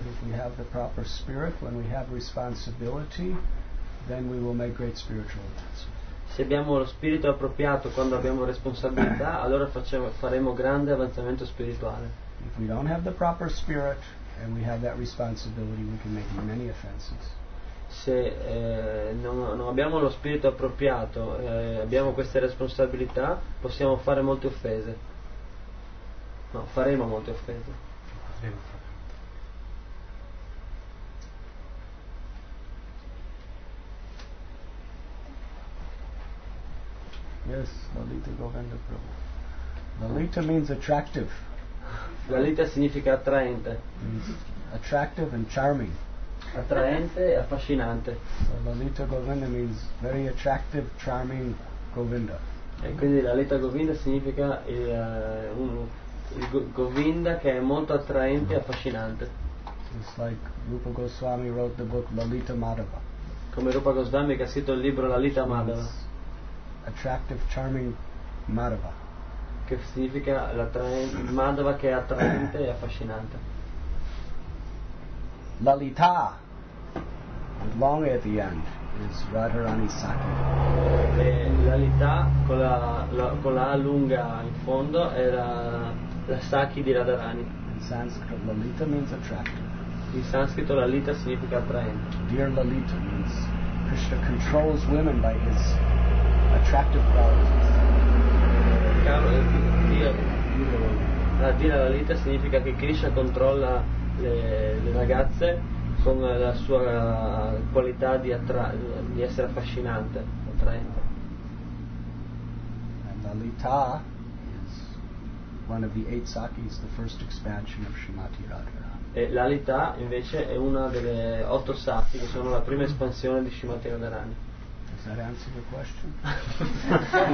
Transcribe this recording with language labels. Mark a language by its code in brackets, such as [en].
[en] If we have the proper spirit, when we have responsibility, then we will make great spiritual advance. [it] Se abbiamo lo spirito appropriato quando abbiamo responsabilità, allora faremo grande avanzamento spirituale. [en] If we don't have the proper spirit and we have that responsibility, we can make many offenses. [it] Se non abbiamo lo spirito appropriato e abbiamo queste responsabilità, possiamo fare molte offese. No, faremo molte offese. [en] Yes, Lalita Govinda Prabhu. Lalita means attractive. [it] Lalita significa attraente. [en] Attractive and charming. [it] Attraente e affascinante. [en] So Lalita Govinda means very attractive, charming Govinda. [it] E quindi Lalita Govinda significa il Govinda che è molto attraente e affascinante. [en] It's like Rupa Goswami wrote the book Lalita Madhava. [it] Come Rupa Goswami che ha scritto il libro Lalita Madhava. [en] Attractive, charming Madhava. [it] Che significa Madhava che è attraente e affascinante. [en] Lalita, with long at the end, is Radharani Sakhi. [it] Lalita con la lunga in fondo era la Sakhi di Radharani. [en] In Sanskrit, Lalita means attractive. [it] In sanscrito Lalita significa attraente. [en] Dear Lalita means Krishna controls women by his attractive qualities. [it] Dear Lalita significa che Krishna controlla le ragazze con la sua qualità di essere affascinante, attraente. [en] And Lalita is one of the eight sakis, the first expansion of Srimati Radharani. [it] E Lalita invece è una delle otto sati che sono la prima espansione di Srimati Radharani. [en] Does that answer your question?